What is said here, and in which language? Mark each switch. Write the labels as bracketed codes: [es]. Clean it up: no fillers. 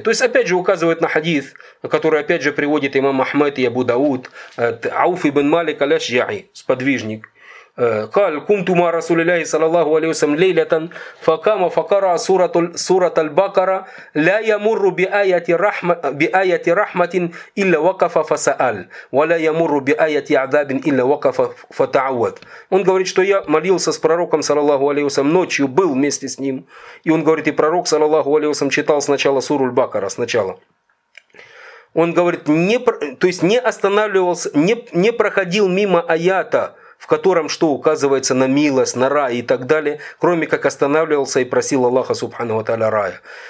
[ru] То есть, опять же, указывает на хадис, который, опять же, приводит имам Ахмед и Абу Дауд, Ауф ибн Малик аль-Ашджаи, сподвижник. [ar] قال قمت مع رسول الله صلى الله عليه وسلم ليلة فقام فقرأ سورة البقرة لا يمر بآية رحمة إلا وقف فسأل ولا يمر بآية عذاب إلا وقف فتعود. [ru] Он говорит, что я молился с пророком [ar] صلى الله عليه وسلم [ru] ночью, был вместе с ним. И он говорит, и пророк [ar] صلى الله عليه وسلم [ru] читал сначала суру Аль-Бакара сначала. Он говорит, не, то есть не останавливался, не проходил мимо аята, в котором что указывается на милость, на рай и так далее, кроме как останавливался и просил Аллаха Субхану ва Тааля рая.